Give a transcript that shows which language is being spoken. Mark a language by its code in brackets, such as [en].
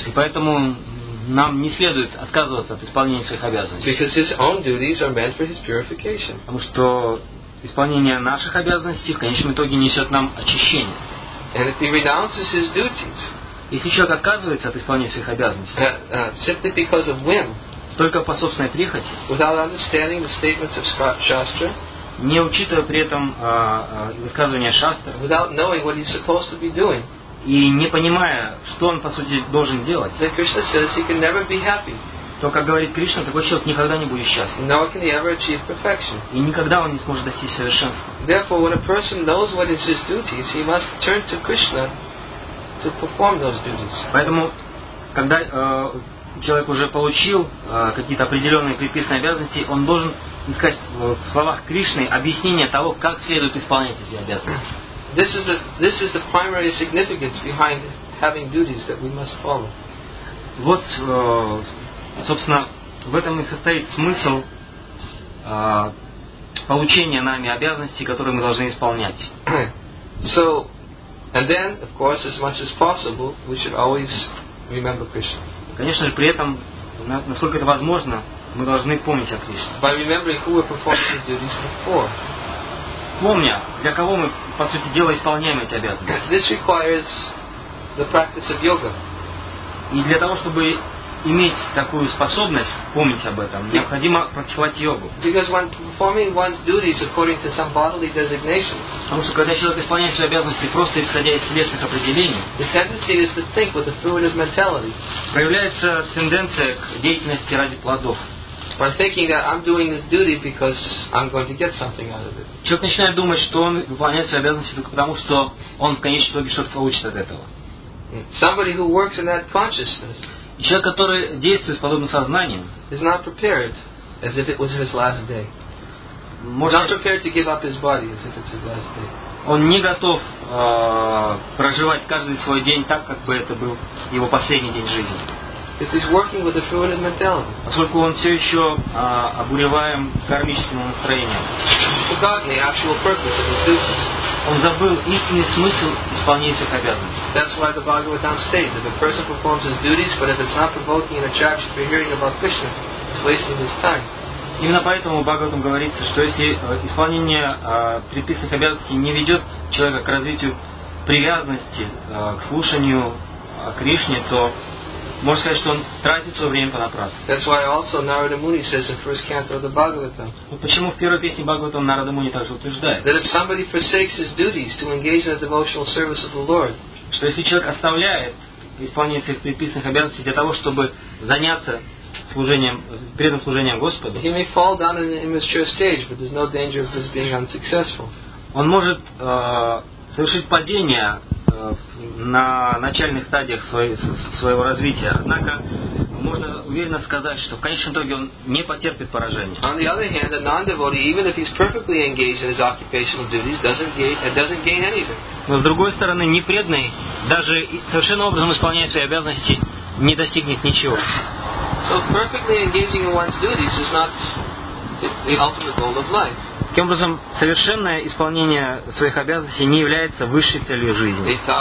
[ru] И поэтому нам не следует отказываться от исполнения своих обязанностей. [en] Because his own duties are meant for his purification. [ru] Потому что исполнение наших обязанностей в конечном итоге несет нам очищение. [en] And if he renounces his duties, [ru] Если человек отказывается от исполнения своих обязанностей, [en] simply because of whim, [ru] только по собственной прихоти, [en] without understanding the statements of Shastra, [ru] не учитывая при этом высказывания Шастры, [en] without knowing what he's supposed to be doing, [ru] и не понимая, что он, по сути, должен делать, [en] then Krishna says he can never be happy. [ru] То, как говорит Кришна, такой человек никогда не будет счастлив. И никогда он не сможет достичь совершенства. [en] Therefore, when a person knows what is his duties, he must turn to Krishna to perform those duties. [ru] Поэтому, когда человек уже получил какие-то определенные предписанные обязанности, он должен искать в словах Кришны объяснение того, как следует исполнять эти обязанности. [en] This is the primary significance behind having duties that we must follow. [ru] Вот. Собственно, в этом и состоит смысл получения нами обязанностей, которые мы должны исполнять. [en] So, and then, of course, as much as possible, we should always remember Krishna. [ru] Конечно же, при этом, насколько это возможно, мы должны помнить о Кришне. [en] By remembering who we performed the duties before. [ru] Помня, для кого мы, по сути дела, исполняем эти обязанности. [en] This requires the practice of yoga. [ru] И для того, чтобы иметь такую способность помнить об этом, необходимо практиковать йогу. [en] Because when performing one's duties according to some bodily designation, [ru] потому что когда человек исполняет свои обязанности просто исходя из телесных определений, [en] the tendency is to think with a fruitive mentality. [ru] Проявляется тенденция к деятельности ради плодов. [en] By thinking that I'm doing this duty because I'm going to get something out of it. [ru] Человек начинает думать, что он выполняет свои обязанности только потому, что он в конечном итоге что-то получит от этого. [en] Somebody who works in that consciousness. [ru] Человек, который действует с подобным сознанием, [en] is not prepared as if it was his last day. Not prepared to give up his body as if it's his last day. [ru] Он не готов проживать каждый свой день так, как бы это был его последний день жизни. [en] It is working with a fruitive mentality. [ru] Поскольку он все еще обуреваем кармическим настроением. [en] He's forgotten the actual purpose of his duties. [ru] Он забыл истинный смысл исполнения своих обязанностей. [en] That's why the Bhagavatam states if a person performs his duties, but if it's not provoking an attraction for hearing about Krishna, it's wasting his time. [ru] Именно поэтому в Бхагаватам говорится, что если исполнение предписанных обязанностей не ведет человека к развитию привязанности к слушанию о Кришне, то можно сказать, что он тратит свое время понапрасну. [en] That's why also Narada Muni says in first canto of the Bhagavatam. [ru] Вот почему в первой песне Бхагаватам Нарада Муни также утверждает. [en] That if somebody forsakes his duties to engage in the devotional service of the Lord. [ru] Что если человек оставляет исполнение своих предписанных обязанностей для того, чтобы заняться служением, преданным служением Господу. [en] He may fall down in an immature stage, but there's no danger of his being unsuccessful. [ru] Он может совершить падение на начальных стадиях своего развития. Однако можно уверенно сказать, что в конечном итоге он не потерпит поражения. [en] On the other hand, a non-devotee, even if he's perfectly engaged in his occupational duties, doesn't gain anything. [ru] Но с другой стороны, непреданный, даже совершенно образом исполняя свои обязанности, не достигнет ничего. [en] So perfectly engaging in one's duties is not the ultimate goal of life. [ru] Таким образом, совершенное исполнение своих обязанностей не является высшей целью жизни.